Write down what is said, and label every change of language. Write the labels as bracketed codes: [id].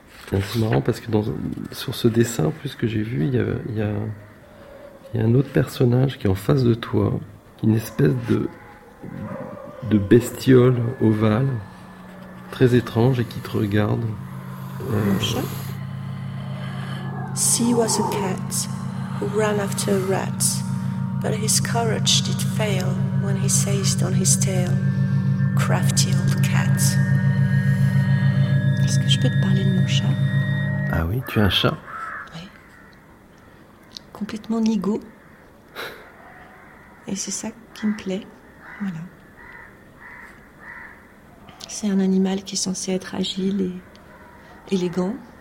[fr] C'est marrant parce que sur ce dessin, plus que j'ai vu, il y a un autre personnage qui est en face de toi, une espèce de bestiole ovale, très étrange et qui te regarde. [en] Sea was a cat who ran after a rat, but his courage did fail when he seized on his tail. Crafty old cat. [fr] Est-ce que je peux te parler de mon chat? Ah oui, tu as un chat? Oui. Complètement nigo. Et c'est ça qui me plaît. Voilà. C'est un animal qui est censé être agile et élégant.